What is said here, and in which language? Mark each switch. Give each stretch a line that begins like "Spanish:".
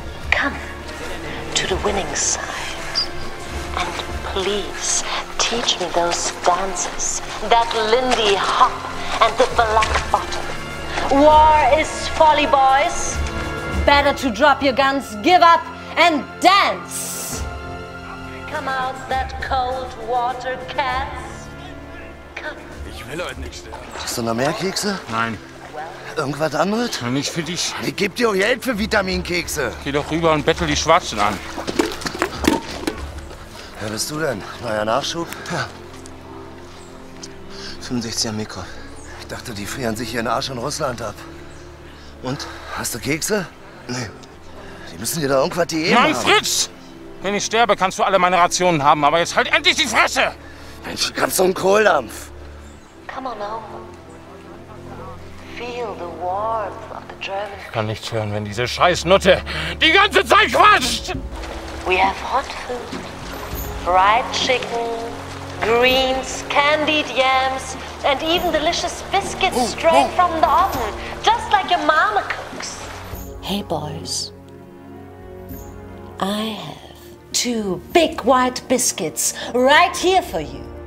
English: Come to the winning side. And please teach me those dances, that Lindy hop and the black bottom. War is folly, boys. Better to drop your guns, give up, and dance. Come out that cold water, cats. Come.
German: Ich will euch nicht sterben. Hast du noch mehr Kekse? Nein. Irgendwas anderes? Nicht für dich. Ich geb dir auch Geld für Vitaminkekse. Geh doch rüber und bettel die Schwarzen an. Wer bist du denn? Neuer Nachschub? Ja. 65 am Mikro. Ich dachte, die frieren sich ihren Arsch in Russland ab. Und? Hast du Kekse? Nee. Die müssen dir da irgendwas die Ehe machen. Mann, Fritz! Wenn ich sterbe, kannst du alle meine Rationen haben, aber jetzt halt endlich die Fresse! Mensch, ich hab so einen Kohldampf.
English: Come on now. Feel the warmth of the German.
German: Ich kann nichts hören, wenn diese Scheißnutte die ganze Zeit quatscht!
English: We have hot food, fried chicken, greens, candied yams, and even delicious biscuits straight from the oven, just like your mama cooks. Hey boys, I have two big white biscuits right here for you.